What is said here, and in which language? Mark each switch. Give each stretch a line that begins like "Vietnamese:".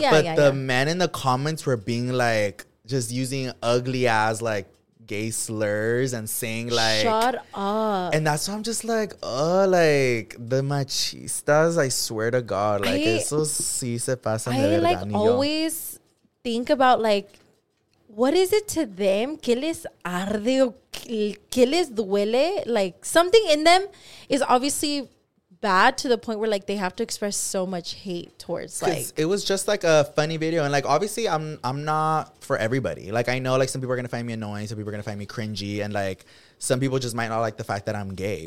English: Yeah, but yeah, the men in the comments were being, like, just using ugly ass, like, gay slurs and saying like, shut up. And that's why I'm just like, oh, like the machistas, I swear to God, like eso sí se pasa de verdad. I like always think about like, what is it to them?
Spanish: ¿Qué les arde o qué les duele?
English: Like something in them is obviously bad to the point where like they have to express so much hate towards like, it was just like a funny video. And like obviously I'm not for everybody. Like I know like some people are gonna find me annoying, some people are gonna find me cringy, and like some people just might not like the fact that I'm gay.